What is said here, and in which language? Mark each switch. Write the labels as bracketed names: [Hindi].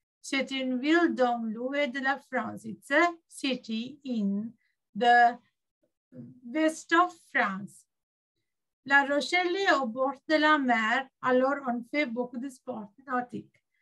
[French] C'est une ville dans l'ouest de la France. [English] It's a city in the west of France. [French] La Rochelle est au bord de la mer, alors on fait beaucoup de sport nautique.